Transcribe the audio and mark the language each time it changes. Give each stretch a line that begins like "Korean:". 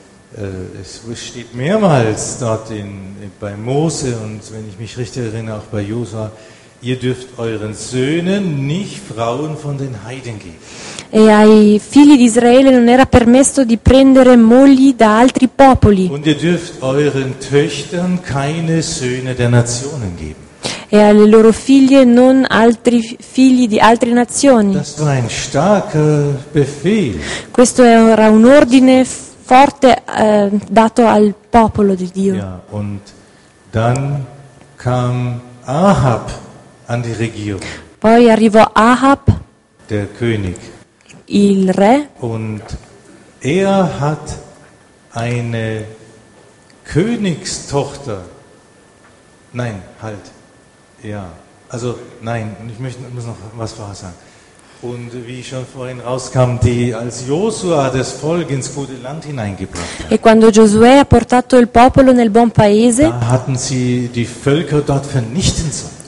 German: Es steht mehrmals dort bei Mose und wenn ich mich richtig erinnere auch bei Josua, ihr dürft euren Söhnen nicht Frauen von den Heiden geben.
Italian: E ai figli di Israele non era permesso di prendere mogli da altri popoli.
German: Und ihr dürft euren Töchtern keine Söhne der Nationen geben.
Italian: E alle loro figlie non altri figli di altre nazioni.
German: Das war ein starker Befehl.
Italian: Questo era un ordine forte dato al popolo di Dio.
German: Ja, und dann kam Ahab an die Regierung.
Italian: Poi arrivò Ahab,
German: der König.
Italian: Il re.
German: Und hat eine Königstochter. Nein, halt. Ja, also nein, ich muss noch was vorher sagen. Und wie schon vorhin rauskam, die als Josua das Volk ins gute Land hineingebracht hat.
Italian: E quando Giosuè ha portato il popolo nel buon paese,
German: da hatten sie die Völker dort vernichten sollen.